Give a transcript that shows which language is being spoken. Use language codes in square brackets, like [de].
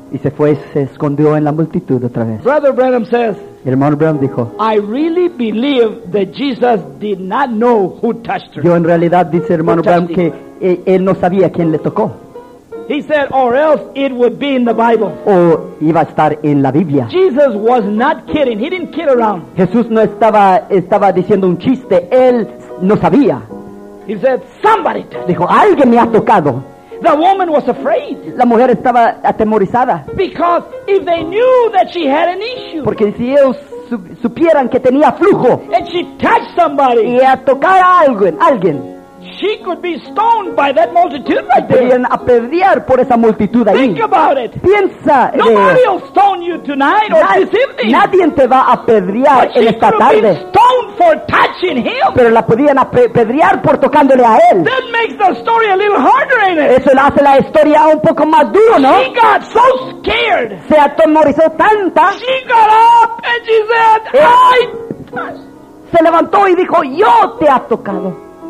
[es] Y se fue y se escondió en la multitud otra vez. [en] Brother Branham says. [es] Hermano Branham dijo. [en] I really believe that Jesus did not know who touched her. [es] Yo en realidad dice hermano Branham que él no sabía quién le tocó. [en] He said, or else it would be in the Bible. [es] O iba a estar en la Biblia. [en] Jesus was not kidding. He didn't kid around. [es] Jesús no estaba diciendo un chiste. Él no sabía. [en] He said, somebody touched. [es] Dijo, alguien me ha tocado. [en] The woman was afraid. [es] La mujer estaba atemorizada. [en] Because if they knew that she had an issue. [es] Porque si ellos supieran que tenía flujo. [en] And she touched somebody. [es] Y a tocar a alguien. [en] She could be stoned by that multitude right there. [es] Podrían apedrear por esa multitud ahí. [en] Think about it. [es] Piensa. [en] Nobody will stone you tonight or this evening. [es] Nadie te va a apedrear en esta tarde. [en] But she could be stoned for touching him. [es] Pero la podían apedrear por tocándole a él. [en] That makes the story a little harder, ain't it? [es] Eso hace la historia un poco más duro, ¿no? [en] She got so scared. [es] Se atemorizó tanta. [en] She got up and she said, I touched. [es] Se levantó y dijo, yo te ha tocado.